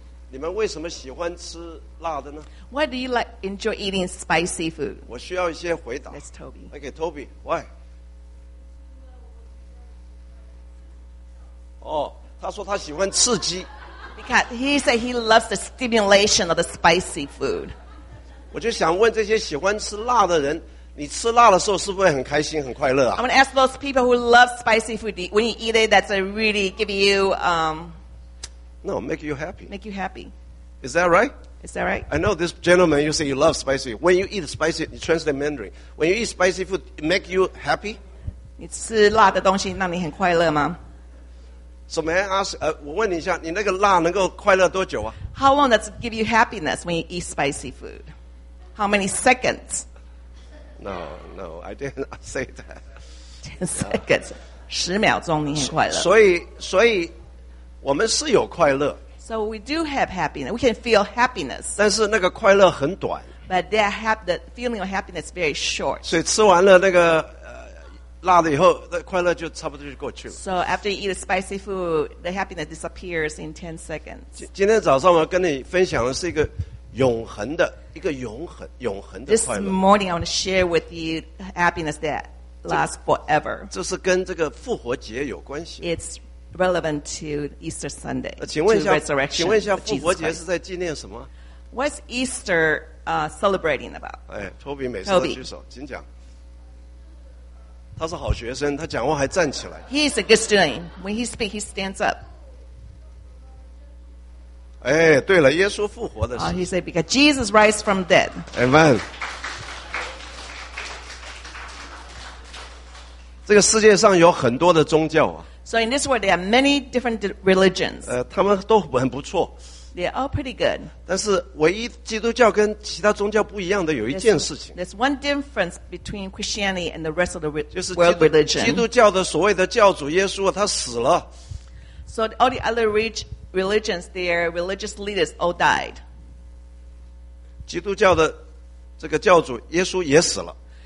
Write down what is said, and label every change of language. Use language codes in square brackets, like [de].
[zh] 你们为什么喜欢吃辣的呢 [en] Why do you like enjoy eating spicy food? [zh] 我需要一些回答 [en] That's Toby. Okay, Toby, why? [zh] Oh, 他说他喜欢刺激 [en] Because he said he loves the stimulation of the spicy food. [zh] 我就想问这些喜欢吃辣的人，你吃辣的时候是不是很开心、很快乐啊 [en] ？I'm going to ask those people who love spicy food. When you eat it, that's a really give you No, make you happy. Make you happy. Is that right? Is that right? I know this gentleman. You say you love spicy. When you eat spicy, you translate Mandarin. When you eat spicy food, it make you happy. [zh] 你吃辣的东西让你很快乐吗？ [en] So may I ask, [zh] 我问你一下，你那个辣能够快乐多久啊 [en] ？How long does it give you happiness when you eat spicy food? How many seconds? No, I didn't say that. 10 seconds, [zh] 十秒钟你很快乐。所以我们是有快乐。 [en] So we do have happiness. We can feel happiness. [zh] 但是那个快乐很短。 [en] But the feeling of happiness is very short. [zh] 所以吃完了那个。辣了以后，那快乐就差不多就过去了。 [en] So after you eat a spicy food, the happiness disappears in 10 seconds. [zh] 今天早上我跟你分享的是一个永恒的一个永恒的快乐。 [en] This morning I want to share with you happiness that lasts forever. [zh] 这是跟这个复活节有关系。 [en] It's relevant to Easter Sunday. [zh] 请问一下，复活节是在纪念什么 [en] ？What's Easter celebrating about? [zh] 哎 ，Toby 每次都举手，请讲。他是好学生，他讲话还站起来。 [en] He is a good student. When he speaks, he stands up. [zh] 哎，对了，耶稣复活的事。 [en] He said because Jesus rose from dead. Amen. [zh] 这个世界上有很多的宗教啊。 [en] So in this world, there are many different religions. [zh] 他们都很不错。 [en] They are all pretty good. [zh] 但是唯一基督教跟其他宗教不一样的有一件事情。 [en] There's one difference between Christianity and the rest of the world religion. [zh] 基督教的所谓的教主耶稣，他死了。 [en] So all the other religions, their religious leaders all died. [zh] 基督教的这个教主耶稣也死了。